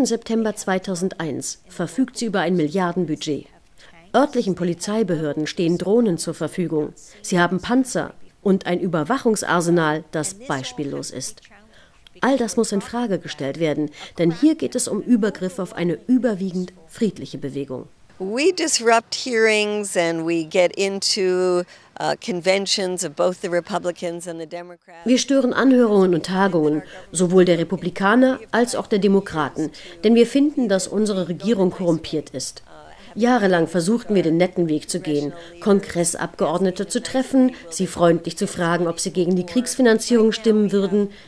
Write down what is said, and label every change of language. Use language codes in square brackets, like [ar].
[de] September 2001 verfügt sie über ein Milliardenbudget. Örtlichen Polizeibehörden stehen Drohnen zur Verfügung. Sie haben Panzer und ein Überwachungsarsenal, das beispiellos ist. All das muss in Frage gestellt werden, denn hier geht es um Übergriffe auf eine überwiegend friedliche Bewegung. [en] We disrupt hearings and we get into conventions of both the Republicans and the Democrats. [de] Wir stören Anhörungen und Tagungen, sowohl der Republikaner als auch der Demokraten, denn wir finden, dass unsere Regierung korrumpiert ist. Jahrelang versuchten wir, den netten Weg zu gehen, Kongressabgeordnete zu treffen, sie freundlich zu fragen, ob sie gegen die Kriegsfinanzierung stimmen würden.